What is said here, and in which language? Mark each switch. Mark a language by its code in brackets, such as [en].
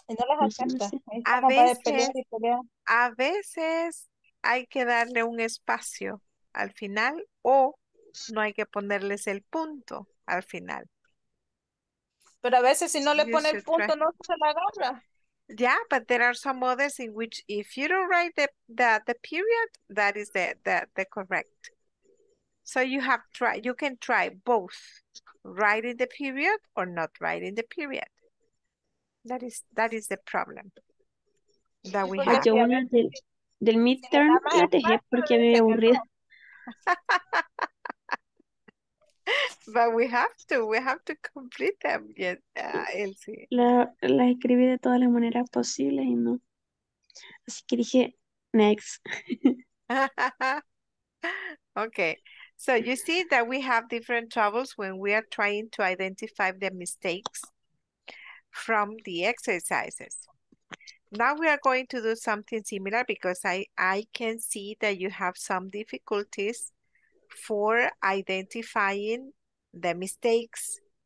[es] Y no las acepta. A veces. A veces. Hay que darle un espacio al final o no hay que ponerles el punto al final. Pero a veces si no le pone el punto no se la agarra. [en] Yeah, but there are some others in which if you don't write the period, that is the correct. So you have try, you can try both writing the period or not writing the period. That is the problem that we have. [es] Del midterm la dejé porque me aburrí. [en] But we have to complete them, yes, Elsie. [es] La escribí de todas las maneras posibles y no. Así que dije, next. [en] Okay, so you see that we have different troubles when we are trying to identify the mistakes from the exercises. Now we are going to do something similar because I can see that you have some difficulties for identifying the mistakes.